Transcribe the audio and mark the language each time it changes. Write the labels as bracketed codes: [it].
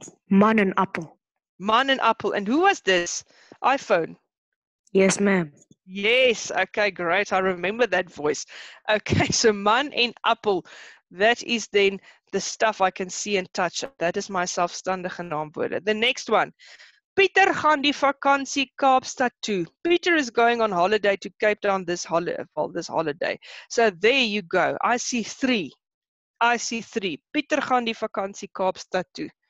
[en] Man and apple. Man and apple. And who was this? iPhone. Yes, ma'am. Yes. Okay, great. I remember that voice. Okay, so man and apple. That is then the stuff I can see and touch. That is my selfstandige naamwoorde. The next one. [af] Pieter gaan die vakansie Kaapstad toe. [en] Pieter is going on holiday to Cape Town this holiday. So there you go. I see three. [af] Pieter gaan die vakansie Kaapstad toe.